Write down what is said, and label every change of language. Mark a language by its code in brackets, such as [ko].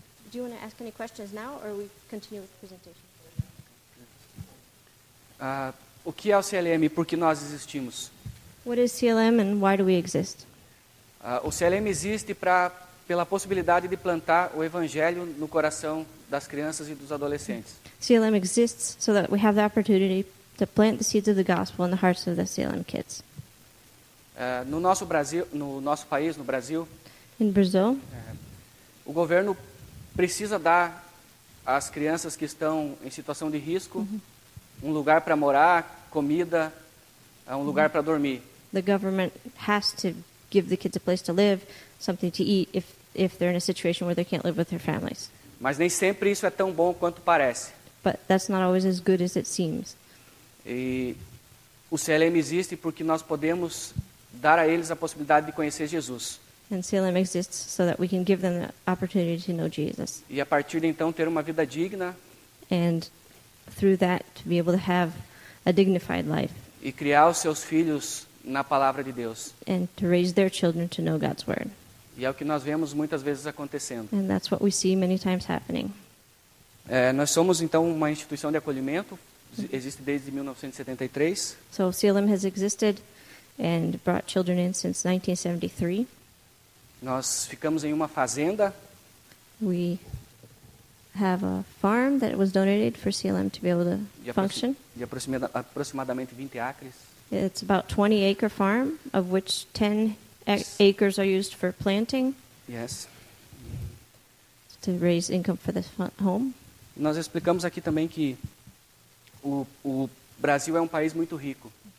[en] Do you want to ask any questions now, or we continue with the presentation? [pt] O que é o CLM e por que nós existimos? [en] What is CLM and why do we exist? [pt] O CLM existe pela possibilidade de plantar o evangelho no coração das crianças e dos adolescentes. [en] CLM exists so that we have the opportunity to plant the seeds of the gospel in the hearts of the CLM kids. [pt] No nosso país, no Brasil, [en] in Brazil, [pt] o governo precisa dar às crianças que estão em situação de risco um lugar para morar, comida, um lugar para dormir. [en] The government has to give the kids a place to live, something to eat if they're in a situation where they can't live with their families. [pt] Mas nem sempre isso é tão bom quanto parece. [en] But that's not always as good as it seems. [pt] E o CLM existe porque nós podemos dar a eles a possibilidade de conhecer Jesus. [en] And CLM exists so that we can give them the opportunity to know Jesus. [pt] E a partir de então ter uma vida digna. [en] And through that to be able to have a dignified life. [pt] E criar os seus filhos na palavra de Deus. [en] And to raise their children to know God's word. [pt] E é o que nós vemos muitas vezes acontecendo. [en] And that's what we see many times happening. [pt] Nós somos então uma instituição de acolhimento. Existe desde 1973. [en] So CLM has existed and brought children in since 1973. [pt] Nós ficamos em uma fazenda. [en] We have a farm that was donated for CLM to be able to function. [pt] De aproximadamente 20 acres. [en] It's about 20-acre farm, of which 10 acres are used for planting. Yes. To raise income for this home. [pt] Nós explicamos aqui também que o Brasil é um país muito rico.